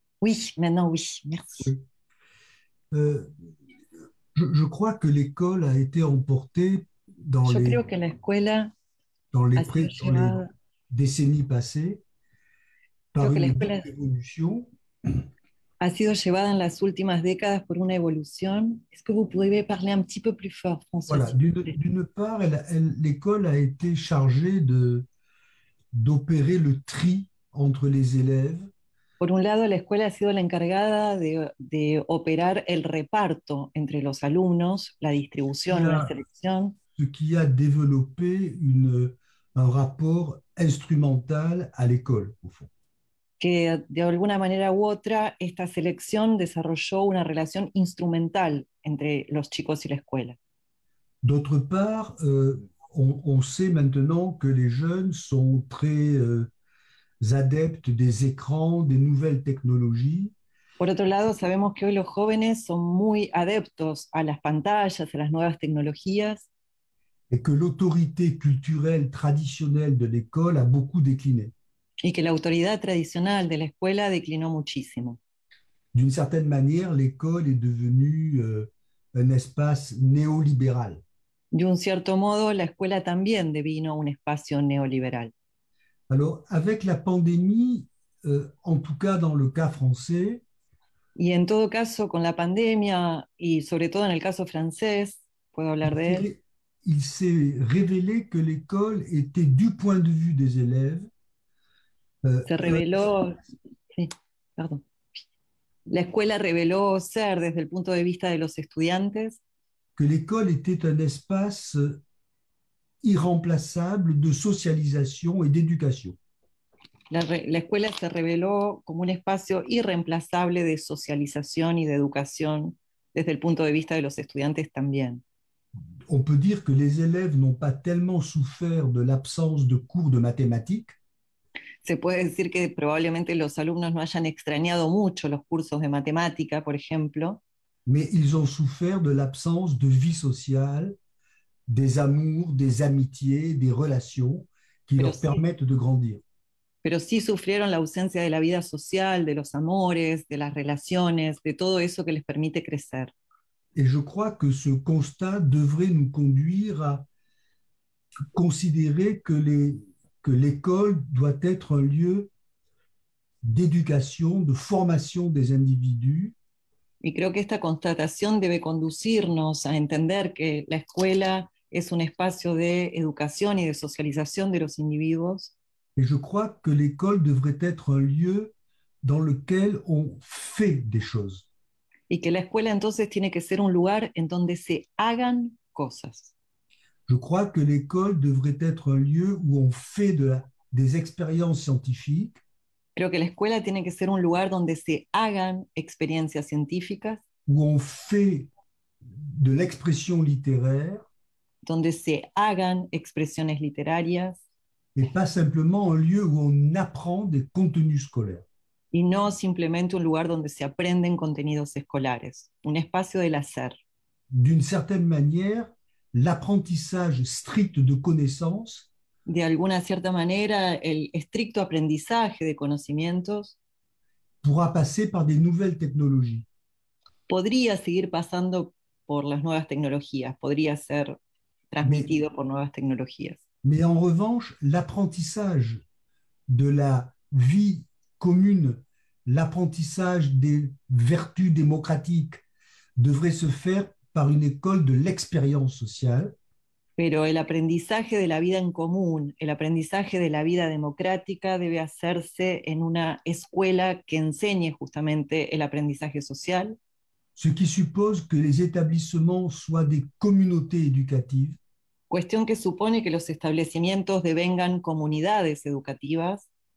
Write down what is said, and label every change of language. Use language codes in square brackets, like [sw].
[fr] Oui, maintenant oui, merci. Oui. Je crois que l'école a été emportée dans les décennies passées, par une évolution. [es] Ha sido llevada en las últimas décadas por una evolución. [fr] Est-ce que vous pouvez parler un petit peu plus fort, François? Voilà, d'une part, l'école a été chargée d'opérer le tri entre les élèves. [es] Por un lado, la escuela ha sido la encargada de operar el reparto entre los alumnos, la distribución, la selección. [fr] Ce qui a développé un rapport instrumental à l'école, au fond. [es] Que de alguna manera u otra, esta selección desarrolló una relación instrumental entre los chicos y la escuela. [fr] D'autre part, on sait maintenant que les jeunes sont très adeptes des écrans, des nouvelles technologies. [es] Por otro lado, sabemos que hoy los jóvenes son muy adeptos a las pantallas, a las nuevas tecnologías. [fr] Et que l'autorité culturelle traditionnelle de l'école a beaucoup décliné. [es] Y que la autoridad tradicional de la escuela declinó muchísimo. [fr] d'une certaine manière, l'école est devenue un espace néolibéral. [es] D'un certain modo, la escuela también devino un espacio neoliberal. [fr] Alors, avec la pandémie, en tout cas dans le cas français, [es] y en todo caso con la pandemia y sobre todo en el caso francés, puedo hablar de él. [fr] Il s'est révélé que l'école était, du point de vue des élèves, [es] se reveló, pardon. La escuela reveló ser desde el punto de vista de los estudiantes [fr] que l'école était un espace irremplaçable de socialisation et d'éducation. [es] La escuela se reveló como un espacio irreemplazable de socialización y de educación desde el punto de vista de los estudiantes también. [fr] On peut dire que les élèves n'ont pas tellement souffert de l'absence de cours de mathématiques. [es] Se puede decir que probablemente los alumnos no hayan extrañado mucho los cursos de matemática, por ejemplo. [fr] Mais ils ont souffert de l'absence de vie sociale, des amours, des amitiés, des relations qui [es] Pero [fr] leur [es] sí. [fr] permettent de grandir. [es] Pero sí sufrieron la ausencia de la vida social, de los amores, de las relaciones, de todo eso que les permite crecer. [fr] Et je crois que ce constat devrait nous conduire à considérer que l'école doit être un lieu d'éducation, de formation des individus. [es] Y creo que esta constatación debe conducirnos a entender que la escuela es un espacio de educación y de socialización de los individuos. [fr] Et je crois que l'école devrait être un lieu dans lequel on fait des choses. [es] Y que la escuela entonces tiene que ser un lugar en donde se hagan cosas. [fr] Je crois que l'école devrait être un lieu où on fait des expériences scientifiques. [es] Creo que la escuela tiene que ser un lugar donde se hagan experiencias científicas. [fr] Où on fait de l'expression littéraire. [es] Donde se hagan expresiones literarias. [fr] Et pas simplement un lieu où on apprend des contenus scolaires. [es] Y no simplemente un lugar donde se aprenden contenidos escolares, un espacio del hacer. [fr] D'une certaine manière, l'apprentissage strict de connaissances. [es] De alguna cierta manera, el estricto aprendizaje de conocimientos. [fr] Pourra passer par des nouvelles technologies. [es] Podría seguir pasando por las nuevas tecnologías, podría ser transmitido por nuevas tecnologías. [fr] Mais en revanche, l'apprentissage de la vie commune, l'apprentissage des vertus démocratiques devrait se faire par une école de l'expérience sociale. [es] Pero el aprendizaje de la vida en común, el aprendizaje de la vida democrática debe hacerse en una escuela que enseñe justamente el aprendizaje social. [fr] Ce qui suppose que les établissements soient des communautés éducatives. [es] Cuestión que supone que los establecimientos devengan comunidades educativas.